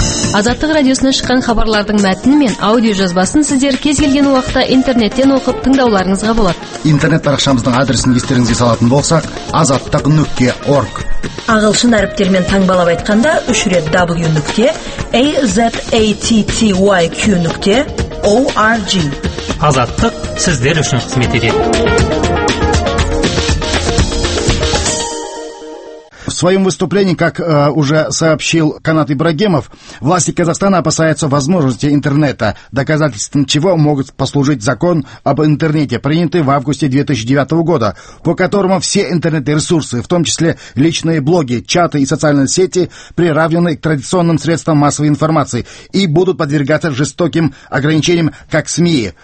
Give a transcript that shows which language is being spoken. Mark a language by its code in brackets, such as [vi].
[kk] Азаттық радиосына шыққан хабарлардың мәтіні мен аудио жазбасын сіздер кез келген уақытта интернеттен оқып тыңдауларыңызға болады. Интернет парақшамыздың адресін естеріңізге салатын болсақ, azattak.org. Ағылшын әріптермен таңбалап айтқанда, үшірет w.azattyq.org. Азаттық сіздер үшін қызмет етеді. [ru] В своем выступлении, как уже сообщил Канат Ибрагимов, власти Казахстана опасаются возможности интернета, доказательством чего могут послужить закон об интернете, принятый в августе 2009 года, по которому все интернет-ресурсы, в том числе личные блоги, чаты и социальные сети, приравнены к традиционным средствам массовой информации и будут подвергаться жестоким ограничениям как СМИ.